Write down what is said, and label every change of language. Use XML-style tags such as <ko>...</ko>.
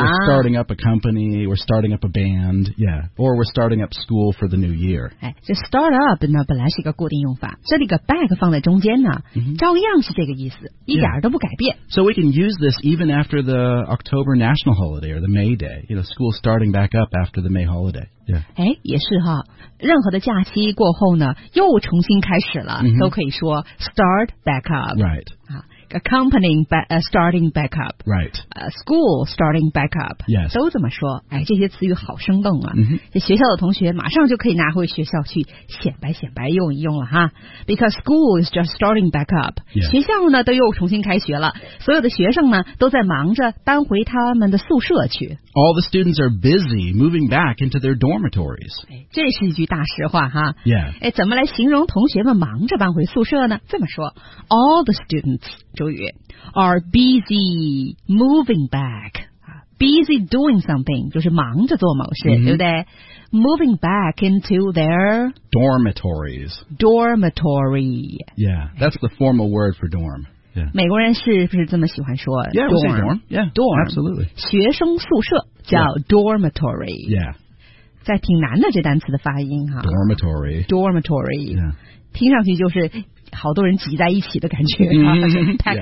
<en>We're starting up a company, we're starting up a band, yeah. Or we're starting up school for the new year.</en> <zh>哎，这 start up 呢本来是一个固定用法，这里个 back 放在中间呢、 mm-hmm. 照样是这个意思，一点都不改变。</zh> <en>Yeah. So we can use this even after the October national holiday or the May day, you know, school starting back up after the May holiday. Yeah.</en> <zh>哎，也是哈，任何的假期过后呢又重新开始了、 mm-hmm. 都可以说</zh> <en>start back up. Right. Accompanying starting back up. Right. School starting back up. Yes.</en> <zh>都这么说，哎，这些词语好生动啊。 Mm-hmm. 这学校的同学马上就可以拿回学校去显摆显摆用一用了哈。</zh> <en>Because school is just starting back up.、 Yeah.</en> <zh>学校呢都又重新开学了，所有的学生呢都在忙着搬回他们的宿舍去。</zh> <en>All the students are busy moving back into their dormitories.</en> <zh>这是一句大实话哈。</zh> <en>Yeah.</en> <zh>哎，怎么来形容同学们忙着搬回宿舍呢？这么说</zh> <en>，All the students. 周宇 are busy moving back. Busy doing something,</en> <zh>就是忙着做某事、 mm-hmm. 对不对</zh> <en>Moving back into their dormitories. Dormitory. Yeah, that's the formal word for dorm.、Yeah.</en> <zh>美国人是不是这么喜欢说</zh> <en>Yeah, we'll say dorm. Yeah, dorm. Absolutely.</en> <zh>学生宿舍叫 dormitory.</zh> <en>Yeah.</en> <zh>在挺难的这单词的发音哈</zh> <en>Dormitory. Dormitory. Yeah.</en> <zh>听上去就是好多人挤在一起的感觉、 mm-hmm.</zh> <en>Packed</en>